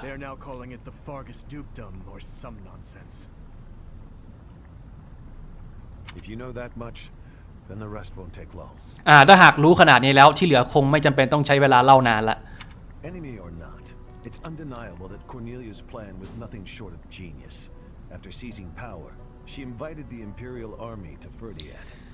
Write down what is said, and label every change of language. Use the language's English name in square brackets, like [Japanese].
[English] They are now calling it the Fargus Dukedom or some nonsense. If you know that much, then the rest won't take long. [Thai] ถ้าหากรู้ขนาดนี้แล้วที่เหลือคงไม่จำเป็นต้องใช้เวลาเล่านานละ [English] Enemy or not, it's undeniable that Cornelia's plan was nothing short of genius. After seizing power, she invited the Imperial army to Ferdiad.